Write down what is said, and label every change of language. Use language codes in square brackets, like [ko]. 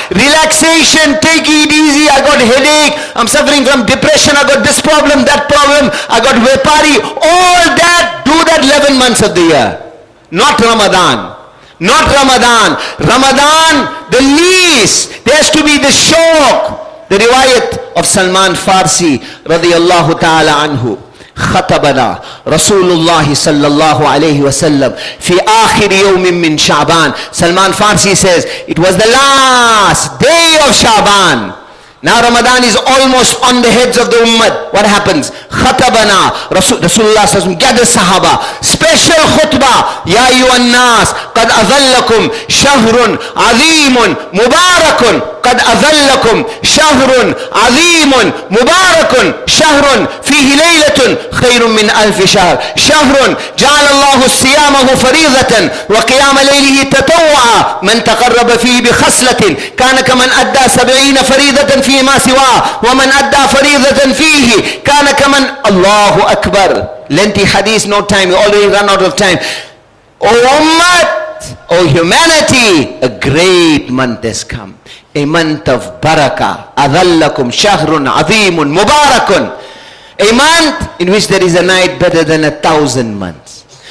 [en] Relaxation, take it easy, I got headache, I'm suffering from depression, I got this problem, that problem, I got wepari. All that, do that 11 months of the year. Not Ramadan. Not Ramadan. Ramadan, the least, there has to be the shock. The riwayat of Salman Farsi, radiyallahu ta'ala anhu. [ar] خطبنا رسول الله صلى الله عليه وسلم في آخر يوم من شعبان. [en] Salman Farsi says, it was the last day of Shaban. Now Ramadan is almost on the heads of the ummah. What happens? خطبنا Rasulullah says, gather sahaba, special khutbah. [ar] يا أيها الناس قد أظلكم شهر عظيم مبارك. قد أظلكم شهر عظيم مبارك شهر فيه ليلة خير من ألف شهر شهر جعل الله صيامه فريضة وقيام ليله تطوعا من تقرب فيه بخصلة كان كمن أدى 70 فريضة فيما سواه ومن أدى فريضة فيه كان كمن الله أكبر. [en] Lengthy hadith, no time, you already run out of time. O Ummah, O humanity, a great month has come. A month of barakah. [ar] Adhallakum shahrun azeemun mubarakun. [en] A month in which there is a night better than 1,000 months.